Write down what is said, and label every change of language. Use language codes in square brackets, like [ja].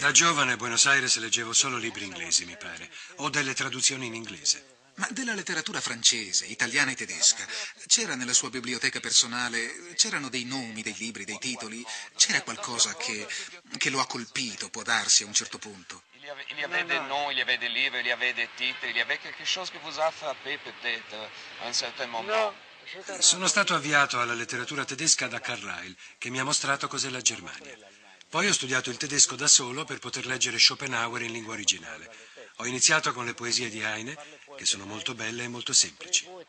[it] Da giovane a Buenos Aires leggevo solo libri inglesi, mi pare, o delle traduzioni in inglese. Ma della letteratura francese, italiana e tedesca, c'era nella sua biblioteca personale, c'erano dei nomi, dei libri, dei titoli, c'era qualcosa che lo ha colpito, può darsi, a un certo punto? [fr] Il y avait des noms, il y avait des livres, il y avait des [it] titoli, [fr] il y avait quelque chose che vous a frappé peut-être, a un certain moment. [it] Sono stato avviato alla letteratura tedesca da Carlyle, che mi ha mostrato cos'è la Germania. Poi ho studiato il tedesco da solo per poter leggere Schopenhauer in lingua originale. Ho iniziato con le poesie di Heine, che sono molto belle e molto semplici.